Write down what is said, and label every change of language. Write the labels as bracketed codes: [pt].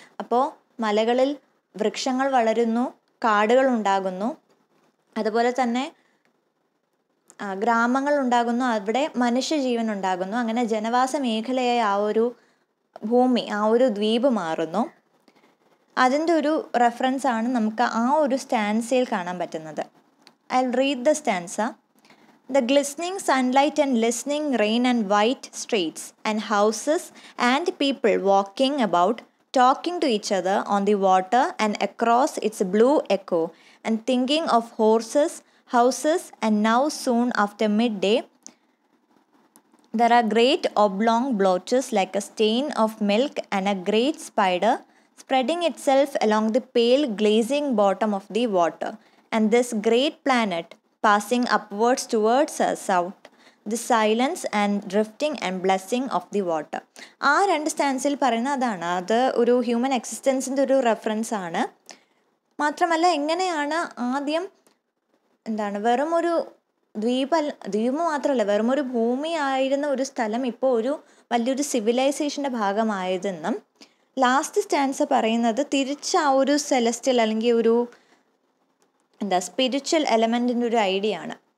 [ml] അപ്പോൾ മലകളിൽ വൃക്ഷങ്ങൾ വളരുന്നു, കാടുകൾ ഉണ്ടാകുന്നു, അതുപോലെ തന്നെ ഗ്രാമങ്ങൾ ഉണ്ടാകുന്നു, അവിടെ മനുഷ്യജീവൻ ഉണ്ടാകുന്നു, അങ്ങനെ ജനവാസ മേഖലയായി ആ ഒരു ഭൂമി, ആ ഒരു ദ്വീപ് മാറുന്നു. അതിൻ്റെ ഒരു റെഫറൻസ് ആണ് നമുക്ക് ആ ഒരു സ്റ്റാൻസയിൽ കാണാൻ പറ്റുന്നത്. [en] I will read the stanza. The glistening sunlight and listening rain and white streets and houses and people walking about, talking to each other on the water and across its blue echo and thinking of horses, houses and now soon after midday, there are great oblong blotches like a stain of milk and a great spider spreading itself along the pale glazing bottom of the water and this great planet passing upwards towards us out the silence and drifting and blessing of the water. [ml] ആ രണ്ട് സ്റ്റാൻസിൽ പറയുന്ന അതാണ്, അത് ഒരു human എക്സിസ്റ്റൻസിൻ്റെ ഒരു reference ആണ്. മാത്രമല്ല എങ്ങനെയാണ് ആദ്യം എന്താണ് വെറുമൊരു ദ്വീപ് മാത്രമല്ല വെറുമൊരു ഭൂമിയായിരുന്ന ഒരു സ്ഥലം ഇപ്പോൾ ഒരു വലിയൊരു സിവിലൈസേഷൻ്റെ ഭാഗമായതെന്നും ലാസ്റ്റ് സ്റ്റാൻസ് പറയുന്നത് തിരിച്ച് ആ ഒരു സെലസ്റ്റൽ അല്ലെങ്കിൽ ഒരു എന്താ സ്പിരിച്വൽ എലമെൻറ്റിൻ്റെ ഒരു ഐഡിയ ആണ്.